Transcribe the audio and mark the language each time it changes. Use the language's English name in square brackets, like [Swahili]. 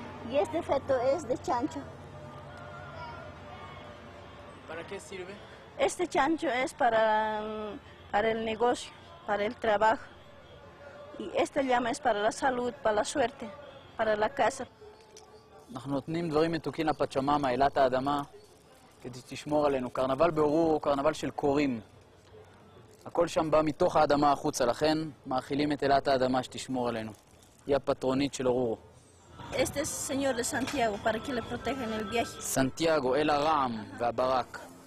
[Spanish] Y este feto es de chancho. ¿Para qué sirve? Este chancho es para... para el negocio, para el trabajo. Y esta llama es para la salud, para la suerte, para la casa. [Hebrew] אנחנו נותנים דברים מתוקים לפצ'ממה, אלת האדמה, כדי שתשמור עלינו. קרנבל באורור הוא קרנבל של קורים. הכל שם בא מתוך האדמה החוצה, לכן מאכילים את אלת האדמה שתשמור עלינו. היא הפטרונית של אורור. [Spanish] Este es señor de Santiago, para que le protejan el viaje. [Hebrew] Santiago, el Aram והברק.